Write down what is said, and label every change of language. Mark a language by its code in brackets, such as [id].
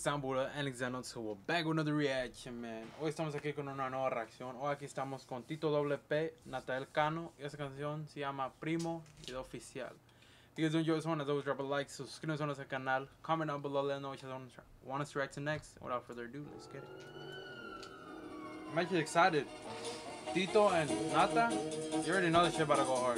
[en] Zambula and Xenon, so we're back with another reaction, man. [es] Hoy estamos aquí con una nueva reacción. Hoy aquí estamos con Tito WP, Natanael Cano, y esa canción se llama Primo y de Oficial. [en] If you guys enjoy this one, as always, drop a like, [es] suscríbete a nuestro canal, [en] comment down below, let me know which one you want us to react to next. Without further ado, let's get it. I'm actually excited. Tito and Nata, you already know this shit about to go hard.